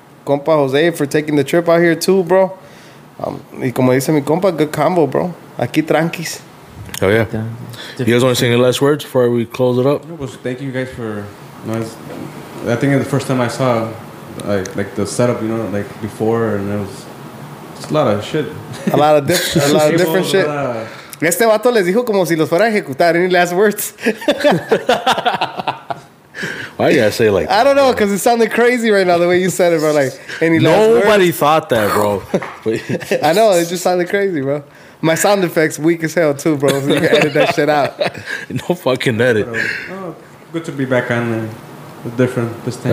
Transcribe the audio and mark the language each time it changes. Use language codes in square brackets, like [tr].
[en] Compa Jose for taking the trip out here too, bro. [es] Y como dice mi compa, [en] good combo, bro. [es] Aquí tranquis. [en] Hell yeah. You guys want to say any last words before we close it up? Thank you guys for, you know, I think the first time I saw like the setup, you know, like before, and it was just a lot of shit. A lot of different, a lot of different shit. [es] Este vato les dijo como si los fuera a ejecutar. [en] Any last words? Why you gotta say like that? I don't know, because it sounded crazy right now the way you said it, bro. Like, any last nobody words? Thought that, bro. I know, it just sounded crazy, bro. My sound effects weak as hell too, bro. So you can edit that shit out. No fucking edit. Oh, good to be back on the different this time.